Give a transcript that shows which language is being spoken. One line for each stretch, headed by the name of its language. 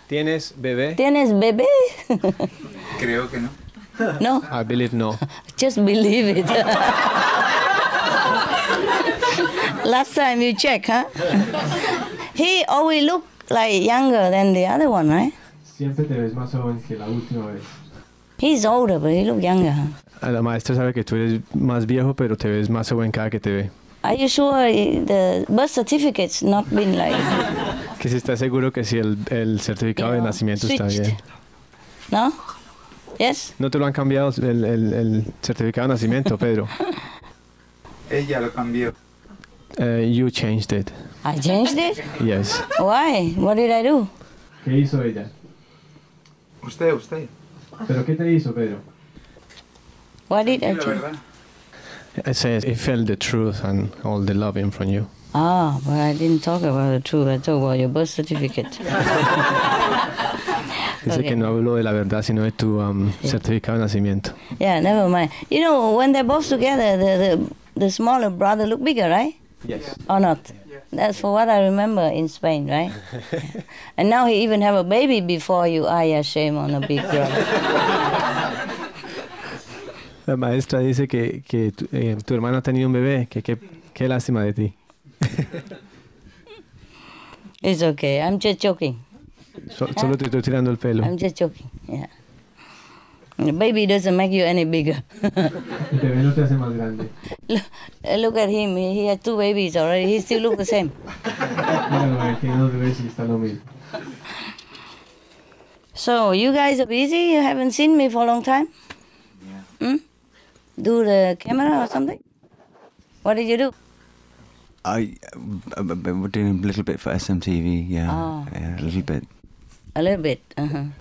Spanish: ¿Tienes bebé? ¿Tienes bebé? Creo que no. No?
English: I believe no. Just believe it. Last time you check, huh? He always look like younger than the other one, right?
Spanish: Siempre te ves más joven que la última vez.
English: He's older, but he look younger.
Spanish: La maestra sabe que tú eres más viejo, pero te ves más joven cada que te ve.
English: Are you sure the birth certificate's not been like...
Spanish: Que si está seguro que si el certificado de nacimiento
English: switched.
Spanish: Está bien.
English: No? Yes?
Spanish: No te lo han cambiado el certificado de nacimiento, Pedro. Ella lo cambió.
English: You changed it. I changed it? Yes. Why? What did I do?
Spanish: ¿Qué hizo ella? Usted. ¿Pero qué te hizo, Pedro?
English: What did I change? I said he felt the truth and all the loving from you. Ah, but I didn't talk about the truth. I talked about your birth certificate.
Spanish: Dice okay. Que no hablo de la verdad, sino de tu certificado de nacimiento.
English: Yeah, never mind. You know, when they're both together, the smaller brother look bigger, right? Yes. Or not? Yes. That's for what I remember in Spain, right? And now he even have a baby before you. Ay, yeah, shame on a big girl.
Spanish: La maestra dice que tu hermano ha tenido un bebé, que lástima de ti.
English: It's okay, I'm just joking.
Spanish: Solo te estoy tirando el pelo.
English: I'm just joking, yeah. The baby doesn't make you any bigger.
Spanish: El bebé no te hace más grande.
English: Look at him, he has two babies already, he still looks the same.
Spanish: Bueno, tiene dos bebés y está lo mismo.
English: So, you guys are busy, you haven't seen me for a long time? Yeah. Hmm? Do the camera or something? What did you do? We're doing a little bit for SMTV, yeah. Oh, yeah, okay. A little bit. A little bit, uh-huh.